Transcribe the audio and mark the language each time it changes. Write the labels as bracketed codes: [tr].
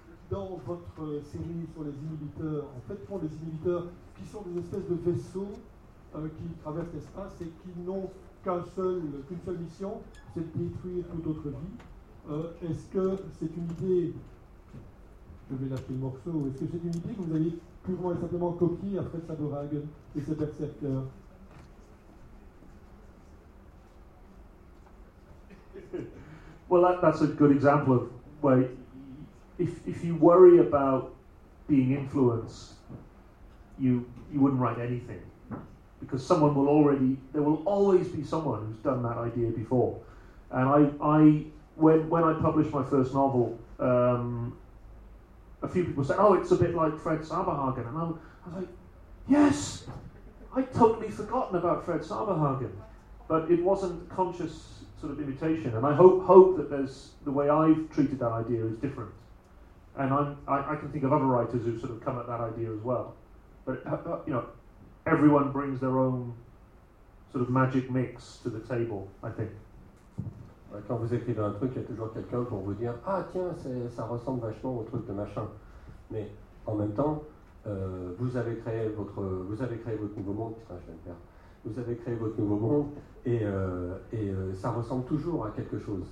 [fr] Dans votre série sur les inhibiteurs, en fait, pour les inhibiteurs qui sont des espèces de vaisseaux qui traversent l'espace et qui n'ont qu'une seule mission, c'est de détruire toute autre vie. Est-ce que c'est une idée, je vais lâcher le morceau, est-ce que c'est une idée que vous avez purement et simplement copiée à Fred Sadorhagen et ses Berserkers? [en] Well, that's a good example of where if you worry about being influenced, you wouldn't write anything, because someone will already, there will always be someone who's done that idea before. And when I published my first novel, a few people said, oh, it's a bit like Fred Sadorhagen. And I was like, yes, I'd totally forgotten about Fred Sadorhagen. But it wasn't conscious sort of imitation. And I hope that there's, the way I've treated that idea is different. And I can think of other writers who've sort of come at that idea as well. But, you know, everyone brings their own sort of magic mix to the table, I think. [fr] Quand vous écrivez un truc, il y a toujours quelqu'un pour vous dire « Ah tiens, ça ressemble vachement au truc de machin. » Mais en même temps, vous avez créé votre nouveau monde. Putain, je vais me perdre. Vous avez créé votre nouveau monde et ça ressemble toujours à quelque chose.